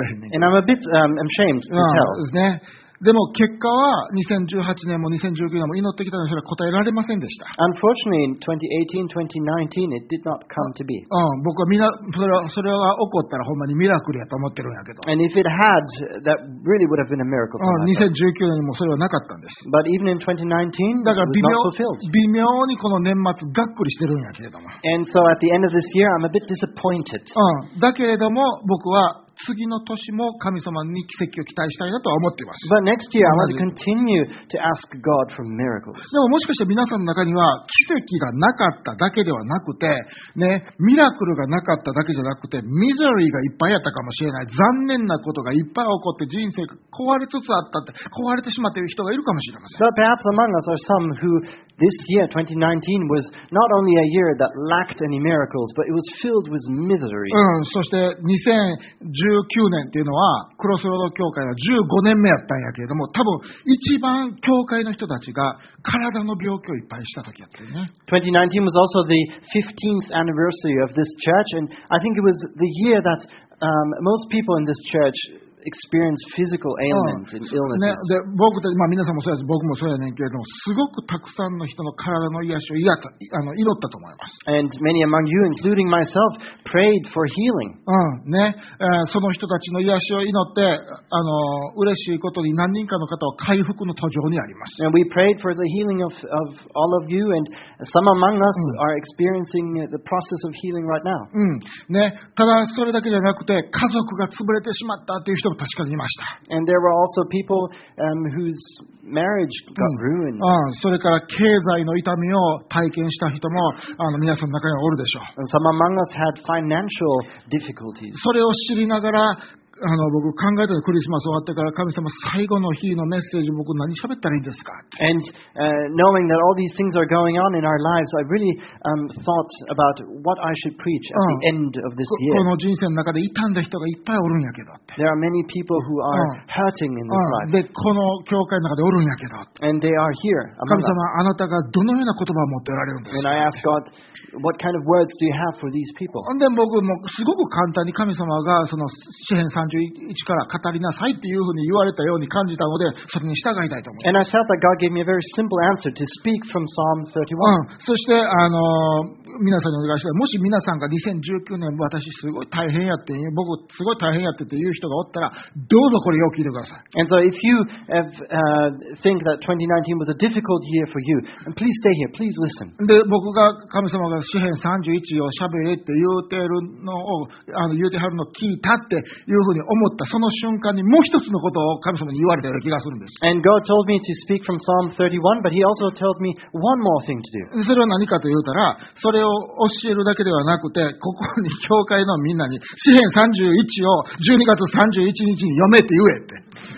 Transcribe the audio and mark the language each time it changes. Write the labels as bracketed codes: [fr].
[en] And I'm a bit ashamed to tell. [ja] でも結果は2018年も2019年も祈ってきたのにそれは答えられませんでした。 [en] Unfortunately, in 2018, 2019, it did not come to be. [ja] 僕はみんなそれは起こったらほんまにミラクルやと思ってるんやけど。 [en] And if it had, that really would have been a miracle. [ja] 2019年にもそれはなかったんです。 [en] But even in 2019, it was not fulfilled. [ja] だから微妙にこの年末がっくりしてるんやけれども。 [en] And so at the end of this year, I'm a bit disappointed. [ja] だけれども僕は次の年も神様に奇跡を期待したいなとは思っています。 [en] But next year, I want to continue to ask God for miracles. [ja] でももしかして皆さんの中には奇跡がなかっただけではなくて、ね、ミラクルがなかっただけじゃなくて、ミザリーがいっぱいあったかもしれない。残念なことがいっぱい起こって人生が壊れつつあったって、壊れてしまっている人がいるかもしれません。 [en] But perhaps among us are some who this year, 2019, was not only a year that lacked any miracles, but it was filled with misery. [ja] そして2019年っていうのはクロスロード教会は15年目やったんやけれども、多分一番教会の人たちが体の病気をいっぱいした時やったよね。 [en] 2019 was also the 15th anniversary of this church, and I think it was the year that most people in this church experience physical ailments and illnesses. [ja] ね、で、僕たち、まあ、皆さんもそうです。僕もそうやねんけれども、すごくたくさんの人の体の癒しを祈ったと思います。 [en] And many among you, including myself, prayed for healing. [ja] ね、その人たちの癒しを祈って、嬉しいことに何人かの方は回復の途上にあります。 [en] And we prayed for the healing of all of you, and some among us are experiencing the process of healing right now. [ja] ね、ただそれだけじゃなくて、家族が潰れてしまったっていう人も確かにいました。 [en] And there were also people, whose marriage got ruined. [ja] それから経済の痛みを体験した人も皆さんの中にはおるでしょう。 [en] And some among us had financial difficulties. [ja] それを知りながら僕考えたらクリスマス終わってから神様最後の日のメッセージ僕何喋ったらいいんですか。 [en] And knowing that all these things are going on in our lives, I really thought about what I should preach at the end of this year. [ja] この人生の中で傷んだ人がいっぱいおるんやけど。 [en] There are many people who are hurting in this life. [ja] でこの教会の中でおるんやけど。 [en] And they are here. [ja] 神様あなたがどのような言葉を持っておられるんですか。 [en] And I ask God, what kind of words do you have for these people? [ja] で僕もすごく簡単に神様がその詩編31から語りなさいっていうふうに言われたように感じたのでそれに従いたいと思います [en] 。And I felt that God gave me a very simple answer to speak from Psalm 31. [ja] そして皆さんにお願いしたい。もし皆さんが2019年私すごい大変やって僕すごい大変やってっていう人がおったらどうぞこれを聞いてください。 [en] And so if you have, think that 2019 was a difficult year for you, please stay here, please listen. [ja] で僕が神様が詩編31を喋れって言うてるのを言うてはるのを聞いたっていういうふうに思ったその瞬間にもう一つのことを神様に言われたような気がするんです。 [en] And God told me to speak from Psalm 31, but He also told me one more thing to do. [ja] それは何かと言うたら、それを教えるだけではなくて、ここに教会のみんなに詩編31を12月31日に読めって言えって。